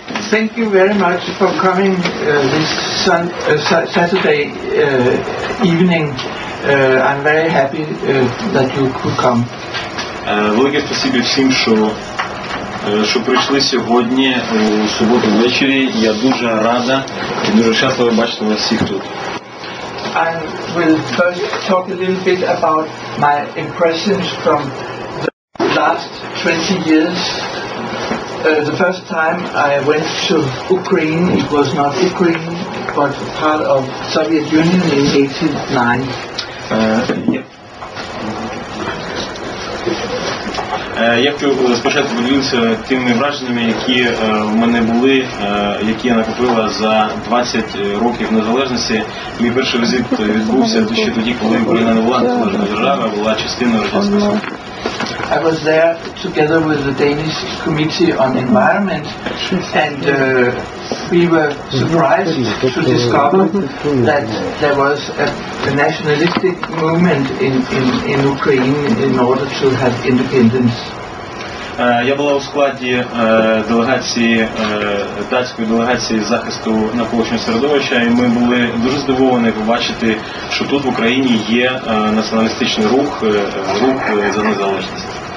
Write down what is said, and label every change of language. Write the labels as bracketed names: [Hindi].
[English] Thank you very much for coming this Saturday evening. I'm very happy that you could come. [Ukrainian] Велике спасибі всім, що прийшли сьогодні у суботу ввечері. Я дуже рада і дуже щасливо бачити вас всіх тут. [English] I will first talk a little bit about my impressions from the last 20 years. The first time I went to Ukraine, it was not Ukraine, but part of Soviet Union in 1989. [Ukrainian] Я хочу спочатку поділитися тими враженнями, які в мене були, які я накопила за 20 років незалежності. Мій перший візит відбувся ще тоді, коли Україна не була незалежною державою, була частиною Радянського Союзу. [English] I was there together with the Danish Committee on Environment, and we were surprised to discover that there was a nationalistic movement in Ukraine in order to have independence. [Ukrainian] Я була у складі делегації, датської делегації захисту навколишнього середовища, і ми були дуже здивовані побачити, що тут в Україні є націоналістичний рух, рух за незалежність.